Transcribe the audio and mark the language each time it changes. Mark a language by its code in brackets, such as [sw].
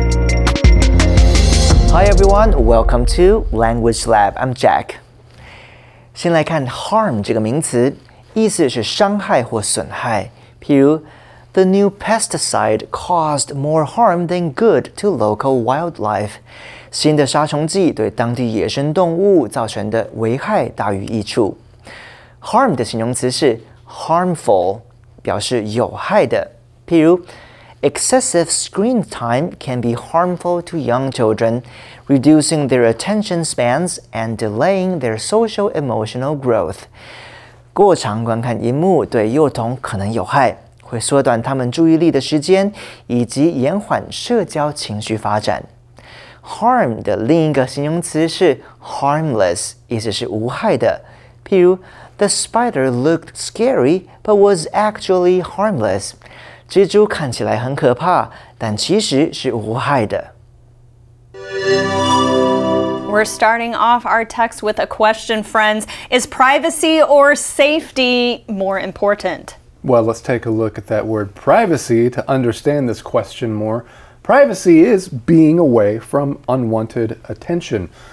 [en] Hi everyone, welcome to Language Lab, I'm Jack. [zh] 先来看 harm 这个名词，意思是伤害或损害。譬如 [en] The new pesticide caused more harm than good to local wildlife. [zh] 新的杀虫剂对当地野生动物造成的危害大于益处。 Harm 的形容词是 harmful, 表示有害的。譬如 [en] Excessive screen time can be harmful to young children, reducing their attention spans and delaying their social-emotional growth. [zh] 过长观看荧幕对幼童可能有害，会缩短他们注意力的时间，以及延缓社交情绪发展。 Harm 的另一个形容词是 harmless, 意思是无害的。譬如 [en] The spider looked scary, but was actually harmless. [zh] 蜘蛛看起来很可怕，但其实是无害的。 [en] We're starting off our text with a question, friends. Is privacy or safety more important? Well, let's take a look at that word privacy to understand this question more. Privacy is being away from unwanted attention.